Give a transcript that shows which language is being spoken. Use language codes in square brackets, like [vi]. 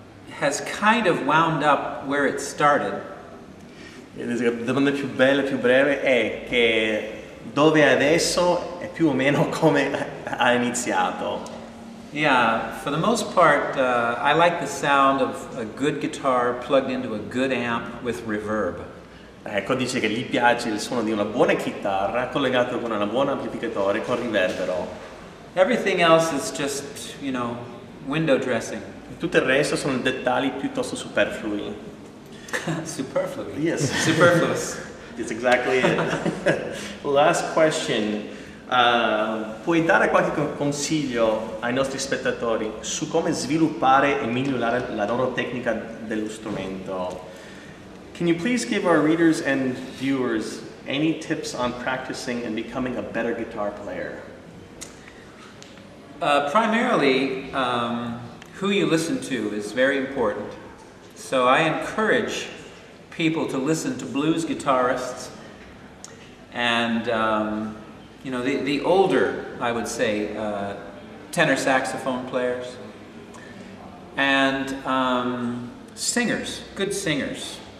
[en] has kind of wound up where it started. [it] La domanda più bella, più breve è che dove adesso è più o meno come ha iniziato. [en] Yeah, for the most part, I like the sound of a good guitar plugged into a good amp with reverb. [it] Ecco, dice che gli piace il suono di una buona chitarra collegato con una buona amplificatore con riverbero. [en] Everything else is just, you know, window dressing. [it] Tutto il resto sono dettagli piuttosto superflui. Superflui? [en] Yes. Superfluous. That's exactly it. Last question. [it] Puoi dare qualche consiglio ai nostri spettatori su come sviluppare e migliorare la loro tecnica dello strumento? [en] Can you please give our readers and viewers any tips on practicing and becoming a better guitar player? Primarily, who you listen to is very important. So I encourage people to listen to blues guitarists and, you know, the older, I would say, tenor saxophone players and singers, good singers.